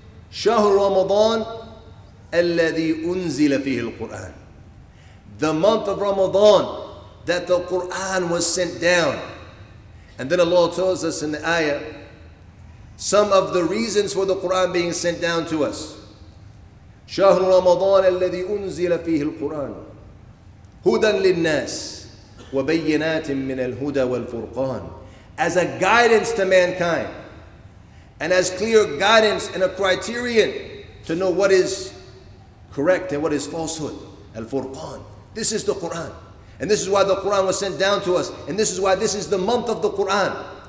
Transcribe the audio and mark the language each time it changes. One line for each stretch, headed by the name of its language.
Arabic: Shahr Ramadan alladhi unzila fihi al-Quran.
English: The month of Ramadan that the Quran was sent down. And then Allah tells us in the ayah some of the reasons for the Quran being sent down to us.
Arabic: شهر رمضان الذي أنزل فيه القرآن هدى للناس وبينات من الهدى والفرقان.
English: As a guidance to mankind and as clear guidance and a criterion to know what is correct and what is falsehood. الفرقان. This is the Quran. And this is why the Quran was sent down to us. And this is why this is the month of the Quran.